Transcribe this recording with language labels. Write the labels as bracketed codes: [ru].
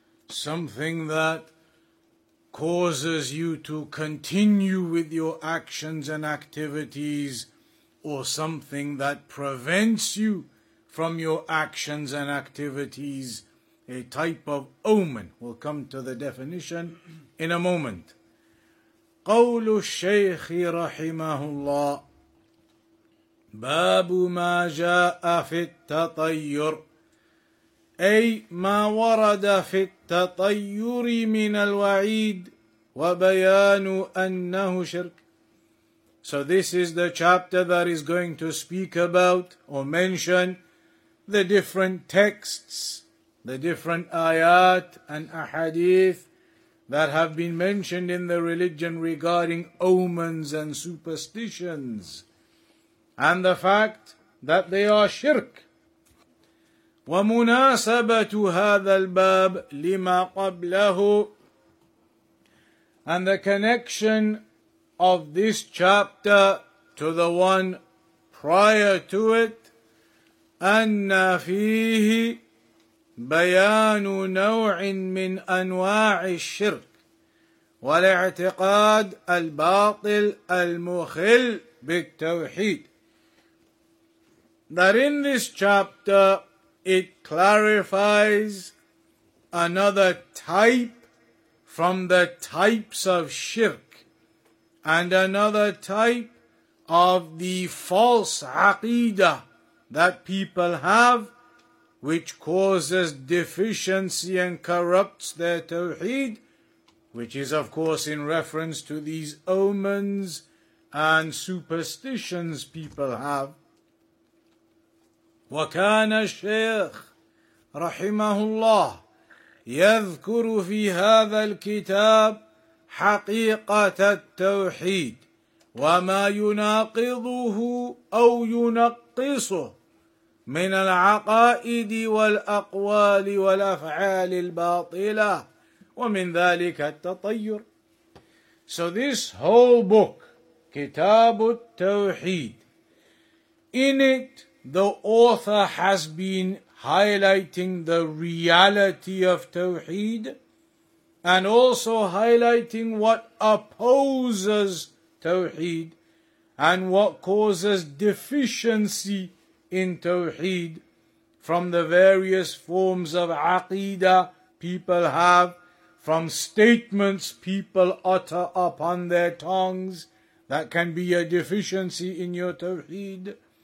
[en] Something that causes you to continue with your actions and activities, or something that prevents you from your actions and activities, a type of omen. We'll come to the definition in a moment. [ar] قول الشيخ رحمه الله باب ما جاء في التطير أي ما ورد في التطير من الوعيد وبيان أنه شرك. [en] So this is the chapter that is going to speak about or mention the different texts, the different ayat and ahadith that have been mentioned in the religion regarding omens and superstitions and the fact that they are shirk. [ar] وَمُنَاسَبَةُ هَذَا الْبَابِ لِمَا قَبْلَهُ [en] And the connection of this chapter to the one prior to it, [ar] أن فيه بيان نوع من أنواع الشرك والاعتقاد الباطل المخل بالتوحيد. [en] That in this chapter it clarifies another type from the types of shirk and another type of the false aqidah that people have, which causes deficiency and corrupts their tawheed, which is of course in reference to these omens and superstitions people have. [ar] وَكَانَ الشَّيْخ رَحِمَهُ اللَّهُ يَذْكُرُ فِي هَذَا الْكِتَابِ حَقِيقَةَ التَّوْحِيدِ وَمَا يُنَاقِضُهُ أَوْ يُنَقِّصُهُ من العقائد والأقوال والأفعال الباطلة ومن ذلك التطير. [en] So this whole book, Kitab al-Tawheed, in it the author has been highlighting the reality of Tawheed and also highlighting what opposes Tawheed and what causes deficiency in Tawheed from the various forms of aqidah people have, from statements people utter upon their tongues that can be a deficiency in your Tawheed,